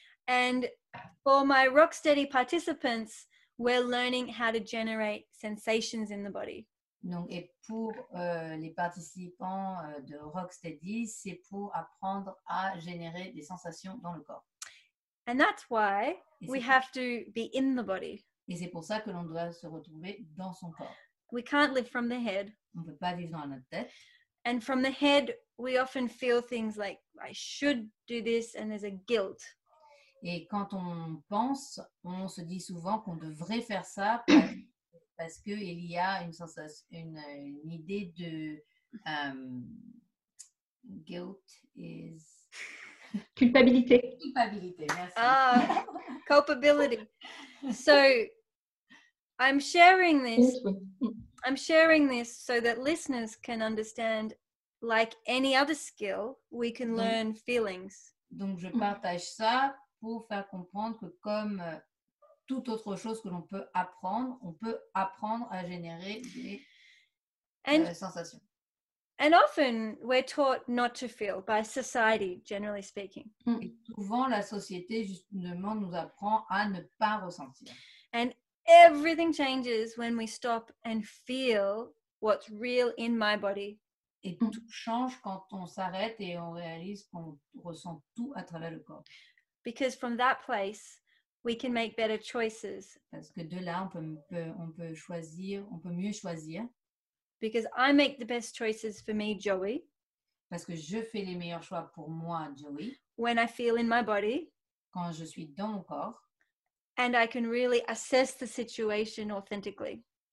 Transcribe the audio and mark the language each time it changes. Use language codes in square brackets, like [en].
[en] And for my Rocksteady participants, we're learning how to generate sensations in the body. [fr] Donc, et pour les participants de Rocksteady, c'est pour apprendre à générer des sensations dans le corps. [en] And that's why we have to be in the body. [fr] Et c'est pour ça que l'on doit se retrouver dans son corps. [en] We can't live from the head. [fr] On ne peut pas vivre dans notre tête. [en] And from the head, we often feel things like, I should do this, and there's a guilt. [fr] Et quand on pense, on se dit souvent qu'on devrait faire ça parce qu'il y a une sensation, une idée de [en] guilt is... [fr] Culpabilité. Culpabilité, merci. [en] Culpability. So, I'm sharing this so that listeners can understand, like any other skill, we can learn feelings. [fr] Donc, je partage ça pour faire comprendre que comme toute autre chose que l'on peut apprendre, on peut apprendre à générer des sensations. [en] And often, we're taught not to feel by society, generally speaking. [fr] Et souvent, la société, justement, nous apprend à ne pas ressentir. [en] And everything changes when we stop and feel what's real in my body. [fr] Et tout change quand on s'arrête et on réalise qu'on ressent tout à travers le corps. [en] Because from that place, we can make better choices. [fr] Parce que de là, on peut choisir, on peut mieux choisir. [en] Because I make the best choices for me, Joey. [fr] Parce que je fais les meilleurs choix pour moi, Joey. [en] When I feel in my body. [fr] Quand je suis dans mon corps. [en] And I can really assess the situation authentically.